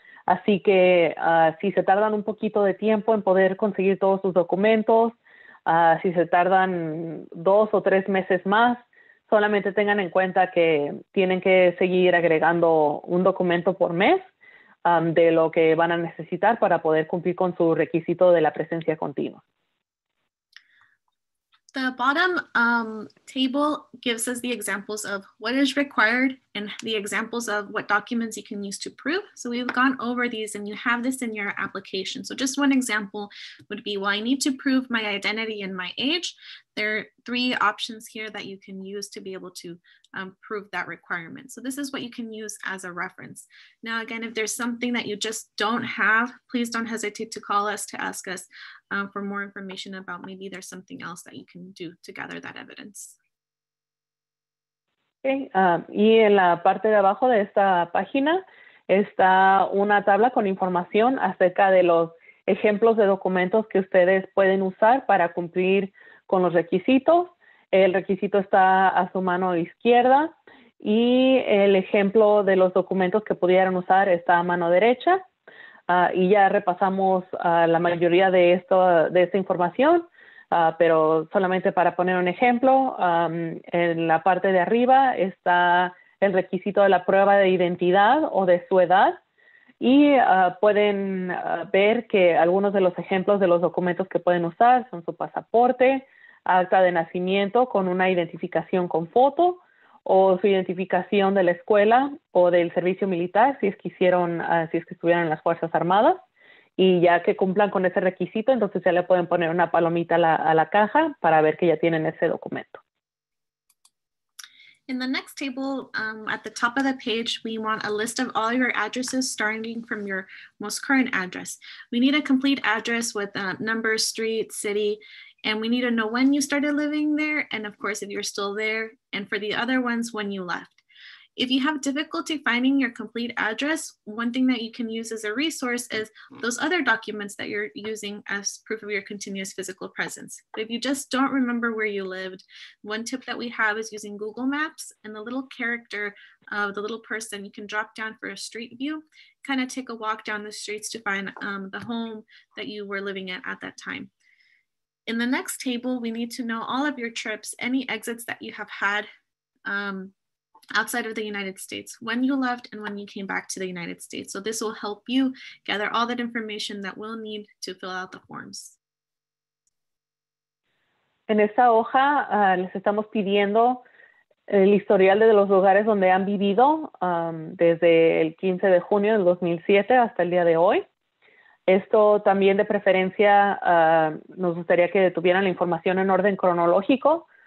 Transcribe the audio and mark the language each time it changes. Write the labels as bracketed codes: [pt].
[es] Así que si se tardan un poquito de tiempo en poder conseguir todos sus documentos, si se tardan 2 o 3 meses más, solamente tengan en cuenta que tienen que seguir agregando un documento por mes de lo que van a necesitar para poder cumplir con su requisito de la presencia continua. [en] The bottom table gives us the examples of what is required and the examples of what documents you can use to prove. So we've gone over these and you have this in your application. So just one example would be, well, I need to prove my identity and my age. There are three options here that you can use to be able to prove that requirement. So this is what you can use as a reference. Now, again, if there's something that you just don't have, please don't hesitate to call us to ask us for more information about maybe there's something else that you can do to gather that evidence. Okay. [es] Y en la parte de abajo de esta página está una tabla con información acerca de los ejemplos de documentos que ustedes pueden usar para cumplir con los requisitos. El requisito está a su mano izquierda Y el ejemplo de los documentos que pudieran usar está a mano derecha. Y ya repasamos la mayoría de esto, de esta información, pero solamente para poner un ejemplo, en la parte de arriba está el requisito de la prueba de identidad o de su edad. Y pueden ver que algunos de los ejemplos de los documentos que pueden usar son su pasaporte, acta de nacimiento con una identificación con foto, o su identificación de la escuela o del servicio militar, si es que hicieron, si es que estuvieron en las Fuerzas Armadas. Y ya que cumplan con ese requisito, entonces ya le pueden poner una palomita a la caja para ver que ya tienen ese documento. [en] In the next table, at the top of the page, we want a list of all your addresses starting from your most current address. We need a complete address with a number, street, city, and we need to know when you started living there, and of course, if you're still there, and for the other ones, when you left. If you have difficulty finding your complete address, one thing that you can use as a resource is those other documents that you're using as proof of your continuous physical presence. But if you just don't remember where you lived, one tip that we have is using Google Maps and the little character of the little person. You can drop down for a street view, kind of take a walk down the streets to find the home that you were living at that time. In the next table, we need to know all of your trips, any exits that you have had, outside of the United States, when you left and when you came back to the United States. So this will help you gather all that information that we'll need to fill out the forms. [es] En esta hoja les estamos pidiendo el historial de los lugares donde han vivido desde el 15 de junio del 2007 hasta el día de hoy. Esto también de preferencia nos gustaría que tuvieran la información en orden cronológico.